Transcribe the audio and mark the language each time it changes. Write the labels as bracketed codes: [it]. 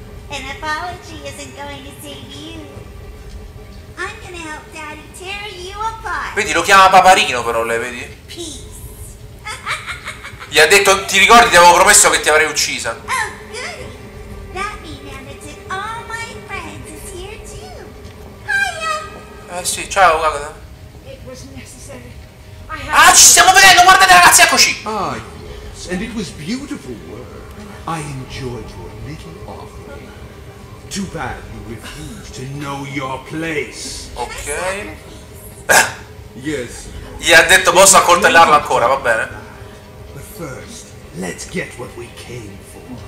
[en] An apology isn't going to save you. I'm gonna help Daddy tear you apart. [it] Vedi, lo chiama paparino però lei, vedi? [en] Peace. [it] Gli ha detto, ti ricordi, ti avevo promesso che ti avrei uccisa. [en] Oh, good. That means that all my friends is here too. Hiya. [it] Sì, ciao, guarda. [en] It was necessary. [it] Ah, ci stiamo vedendo, guardate ragazzi, eccoci. [en] Ah, yes, and it was beautiful work. I enjoyed your little offer. Too bad you refuse to know your place. Ok. Yes. [it] Gli ha detto posso accoltellarla ancora, va bene. [en] But first, let's get what we came for.